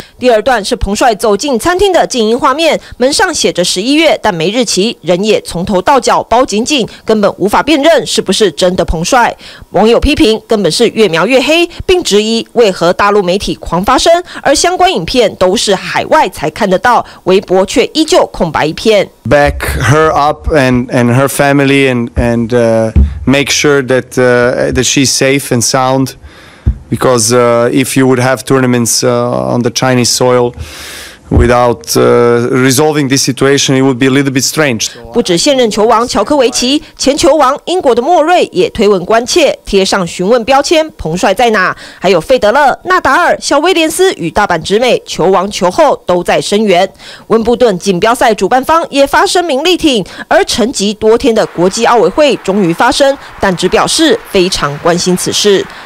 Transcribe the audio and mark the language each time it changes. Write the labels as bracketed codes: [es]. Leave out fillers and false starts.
[zh] 第二段是彭帅走进餐厅的静音画面，门上写着11月，但没日期，人也从头到脚包紧紧，根本无法辨认是不是真的彭帅。网友批评根本是越描越黑，并质疑为何大陆媒体狂发声，而相关影片都是海外才看得到，微博却依旧空白一片。 [en] Back her up and her family and make sure that she's safe and sound. Because if you would have tournaments on the Chinese soil without resolving this situation, it would be a little bit strange. [zh] 不止现任球王乔科维奇，前球王英国的莫瑞也推文关切，贴上询问标签：“彭帅在哪？” 还有费德勒、纳达尔、小威廉斯与大阪直美球王球后都在声援。温布顿锦标赛主办方也发声明力挺，而沉寂多天的国际奥委会终于发声，但只表示非常关心此事。